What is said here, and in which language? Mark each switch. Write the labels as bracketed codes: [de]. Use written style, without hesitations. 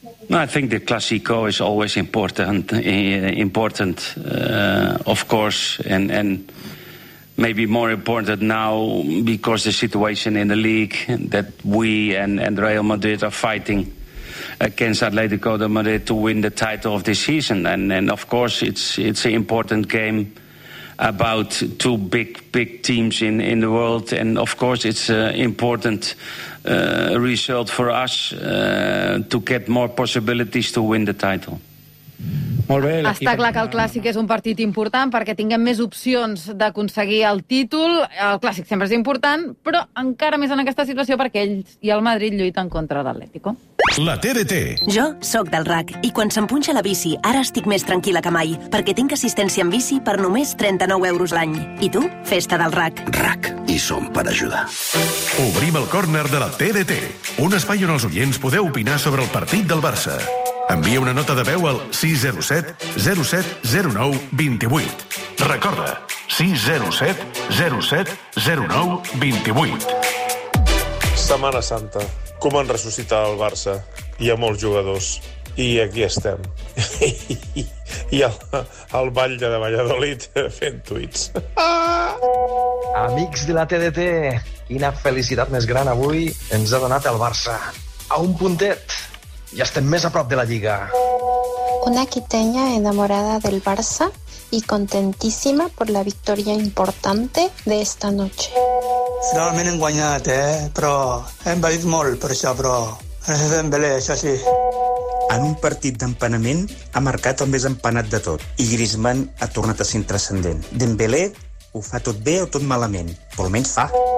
[en] No, I think the Clásico is always important, of course, and maybe more important now because the situation in the league that we and Real Madrid are fighting against Atletico de Madrid to win the title of the season. And of course, it's an important game about two big teams in the world. And of course, it's an important result for us to get more possibilities to win the title. [ca] Molt bé, està clar que el Clàssic és un partit important perquè tinguem més opcions d'aconseguir el títol. El Clàssic sempre és important, però encara més en aquesta situació perquè ells i el Madrid lluiten contra l'Atlético. La TDT. Jo sóc del RAC i quan se'm punxa la bici ara estic més tranquil·la que mai perquè tinc assistència en bici per només 39 euros l'any. I tu, festa del RAC. RAC, hi som per ajudar. Obrim el córner de la TDT, un espai on els oients podeu opinar sobre el partit del Barça. Envia una nota de veu al 607-07-09-28. Recorda, 607-07-09-28. Setmana Santa. Com han ressuscitat el Barça? Hi ha molts jugadors. I aquí estem. I el batlle de Valladolid fent tuits. Ah! Amics de la TDT, quina felicitat més gran avui ens ha donat el Barça. A un puntet. [es] Ya estén más [ca] a prop de la Lliga. [es] Una quiteña enamorada del Barça y contentísima por la victoria importante de esta noche. [ca] Finalment hem guanyat, però hem patit molt per això, però gràcies a Dembélé, això sí. En un partit d'empanament ha marcat el més empanat de tot i Griezmann ha tornat a ser transcendent. Dembélé ho fa tot bé o tot malament, però almenys fa.